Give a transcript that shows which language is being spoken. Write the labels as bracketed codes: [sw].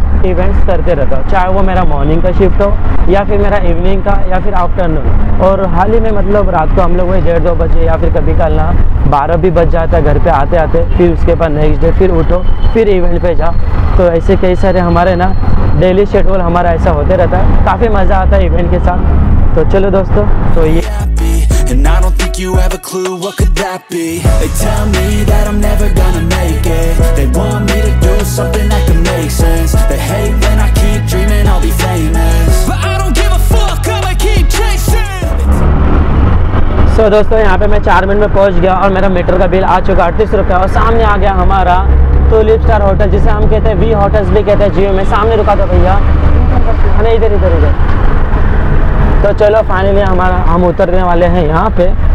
[hi] Different events करते रहता हूँ, चाहे वो मेरा मॉर्निंग का शिफ्ट हो या फिर मेरा इवनिंग का या फिर आफ्टरनून। और हाल ही में मतलब रात को हम लोग वही 1:30-2 बजे या फिर कभी कल ना 12 भी बज जाता है घर पे आते आते, फिर उसके बाद नेक्स्ट डे फिर उठो फिर इवेंट पे जा। तो ऐसे कई सारे हमारे ना डेली शेड्यूल हमारा ऐसा होते रहता है, काफ़ी मज़ा आता है इवेंट के साथ। तो चलो दोस्तों, तो ये [en] And I don't think you have a clue what could that be. They tell me that I'm never gonna make it. They want me to do something that can make sense. They hate when I keep dreaming I'll be famous. But I don't give a fuck, I'ma keep chasing. [hi] So, दोस्तों यहाँ पे मैं 4 minute में पहुँच गया और मेरा metre का बिल आ चुका 38 रुपये। और सामने आ गया हमारा टूलिप स्टार होटल, जिसे हम कहते हैं वी होटल्स भी कहते हैं जियो में। सामने रुका था भैया, अरे इधर इधर इधर। तो चलो फाइनली हमारा हम उतरने वाले हैं यहाँ पे।